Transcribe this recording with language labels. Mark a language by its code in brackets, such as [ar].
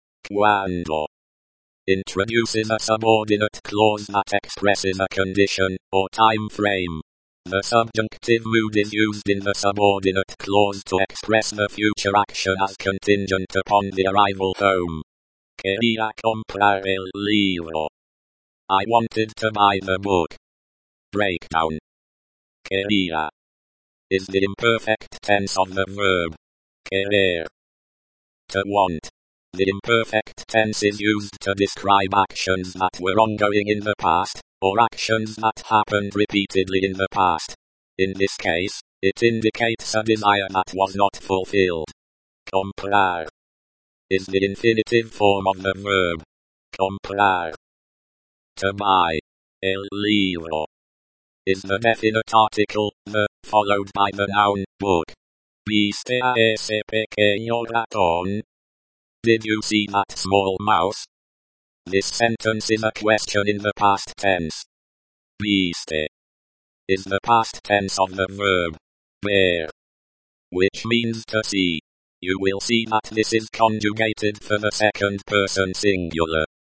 [en] Cuando introduces a subordinate clause that expresses a condition or time frame. The subjunctive mood is used in the subordinate clause to express the future action as contingent upon the arrival home. [es] Quería comprar el libro. [en] I wanted to buy the book. Breakdown. Quería is the imperfect tense of the verb querer, to want. The imperfect tense is used to describe actions that were ongoing in the past, or actions that happened repeatedly in the past. In this case, it indicates a desire that was not fulfilled. Comprar is the infinitive form of the verb. Comprar. To buy. El libro is the definite article, the, followed by the noun, book. [es] ¿Viste a ese pequeño ratón? [en] Did you see that small mouse? This sentence is a question in the past tense. ¿Viste is the past tense of the verb ver, which means to see. You will see that this is conjugated for the second person singular.